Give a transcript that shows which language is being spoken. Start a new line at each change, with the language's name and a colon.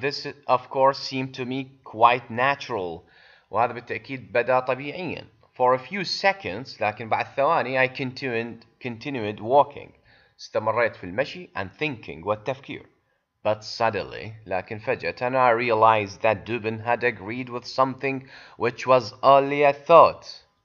English: This of course seemed to me quite natural.
Arabic: وهذا بالتأكيد بدأ طبيعيا.
English: For a few seconds.
Arabic: لكن بعد ثواني
English: I continued walking.
Arabic: استمريت في المشي
English: and thinking
Arabic: والتفكير.
English: But suddenly,
Arabic: لكن فجأة,
English: and I realized that Dubin had agreed with something which was only a thought.